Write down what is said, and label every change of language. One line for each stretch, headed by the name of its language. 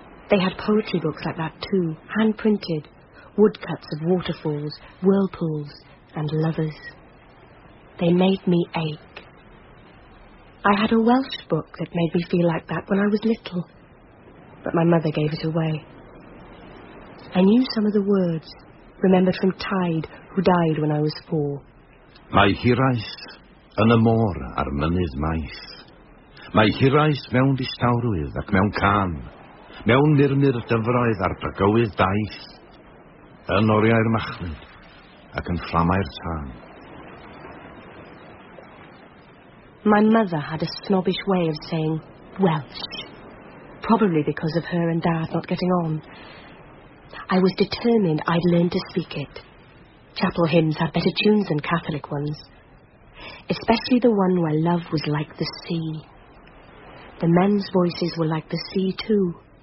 English: They had poetry books like that too, hand-printed, woodcuts of waterfalls, whirlpools, and lovers. They made me ache. I had a Welsh book that made me feel like that when I was little, but my mother gave it away. I knew some of the words, remembered from Tide, who died when I was 4.
Welsh: Mae hiraeth yn y môr ar mynydd maith. Mae hiraeth mewn distawrwydd ac mewn can. Mewn mirmir dyfroedd ar bygywydd daith. Yn oriau'r machlyd ac yn fflamau'r tân.
English: My mother had a snobbish way of saying Welsh, probably because of her and Dad not getting on. I was determined I'd learn to speak it. Chapel hymns had better tunes than Catholic ones, especially the one where love was like the sea. The men's voices were like the sea too,